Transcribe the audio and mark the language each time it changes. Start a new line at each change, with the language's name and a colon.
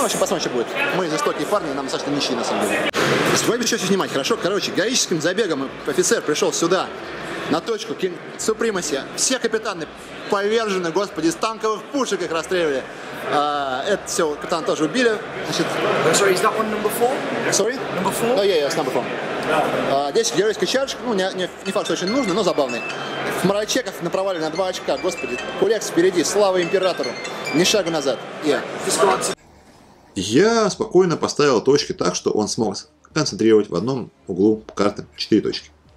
Russian: В общем, посмотрим, что будет. Мы жестокие парни, нам достаточно нищие, на самом деле. Свой бичок снимать, хорошо? Короче, героическим забегом офицер пришел сюда, на точку King Supremacy. Все капитаны повержены, господи, из танковых пушек их расстреливали. Это все, капитан тоже убили. Значит...
English: Sorry, is that one number four? Sorry? Number four? Oh, yeah, yeah, it's number four.
Russian: Здесь геройский чардж, ну, не факт, что очень нужный, но забавный. Мрачеков направляли на 2 очка, господи. Курекс впереди, слава императору. Ни шагу назад. Yeah. Я спокойно поставил точки так, что он смог концентрировать в одном углу карты 4 точки.